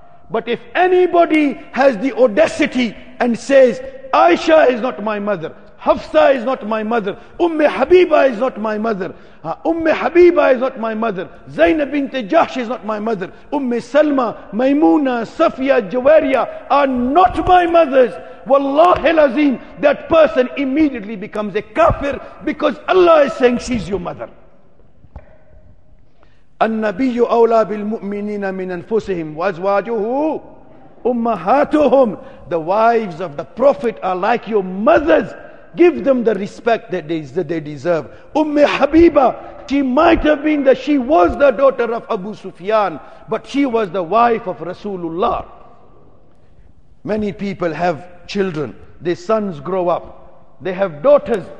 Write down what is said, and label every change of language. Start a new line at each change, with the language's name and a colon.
English: But if anybody has the audacity and says, Aisha is not my mother, Hafsa is not my mother, Umme Habiba is not my mother, Umme Habiba is not my mother, Zainab bint Jahsh is not my mother, Umme Salma, Maimuna, Safiya, Jawariya are not my mothers, Wallahi Lazim, that person immediately becomes a kafir, because Allah is saying she's your mother.
Arabic: النبي أولى بالمؤمنين من أنفسهم وأزواجه أمهاتهم.
English: The wives of the Prophet are like your mothers. Give them the respect that they deserve.
Arabic: أم حبيبة.
English: She might have been that she was the daughter of Abu Sufyan, but she was the wife of Rasulullah. Many people have children. Their sons grow up. They have daughters.